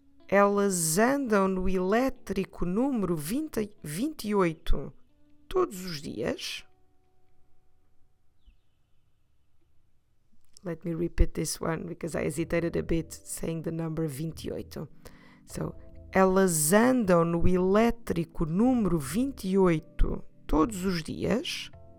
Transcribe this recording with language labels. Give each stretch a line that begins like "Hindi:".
Portuguese: Elas andam no elétrico número 28 todos os dias?
English: Let me repeat this one because I hesitated a bit saying the number 28.
Portuguese: So, elas andam no elétrico número 28 todos os dias?